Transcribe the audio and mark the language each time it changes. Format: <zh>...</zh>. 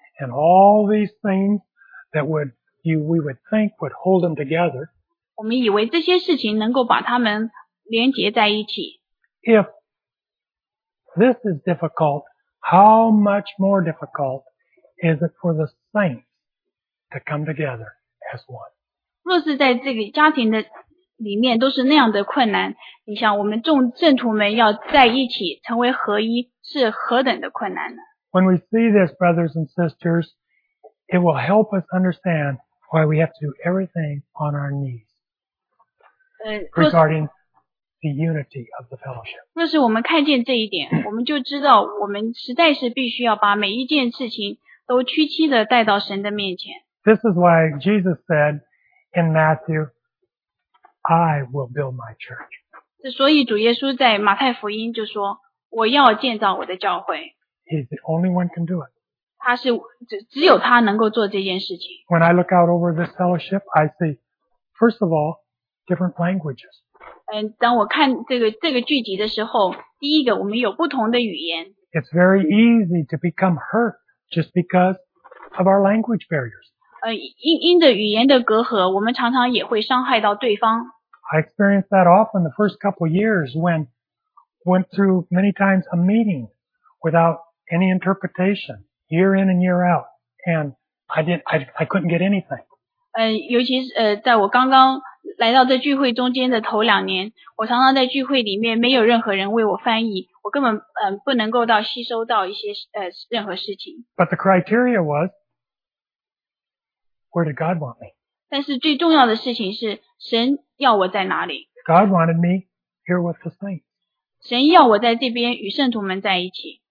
<en>and all these things that we would think would hold them together</en> <zh>我们以为这些事情能够把他们连结在一起</zh> <en>if this is difficultHow much more difficult is it for the saints to come together as one?</en> <zh>若是在这个家庭的里面都是那样的困难，你想我们众圣徒们要在一起成为合一，是何等的困难呢？</zh> <en>When we see this, brothers and sisters, it will help us understand why we have to do everything on our knees regarding. The unity of the fellowship.</en> <zh>若是我们看见这一点，我们就知道我们实在是必须要把每一件事情都屈膝的带到神的面前。</zh> <en>This is why Jesus said in Matthew, "I will build my church."</en> <zh>所以主耶稣在马太福音就说：“我要建造我的教会。”</zh> <en>He's the only one can do it.</en> <zh>他是只有他能够做这件事情。</zh> <en>When I look out over this fellowship, I see, first of all, different languages.</en> <zh>当我看这个聚集的时候，第一个我们有不同的语言。</zh> <en>It's very easy to become hurt just because of our language barriers.</en> <zh>因着语言的隔阂，我们常常也会伤害到对方。</zh> <en>I experienced that often the first couple years when went through many times a meeting without any interpretation year in and year out, and I couldn't get anything.</en> <zh>尤其是在我刚刚来到这聚会中间的头两年，我常常在聚会里面没有任何人为我翻译，我根本不能够到吸收到一些任何事情。</zh> <en>But the criteria was, where did God want me?</en> <zh>但是最重要的事情是神要我在哪里。</zh> <en>God wanted me here with the saints.</en> <zh>神要我在这边与圣徒们在一起。</zh>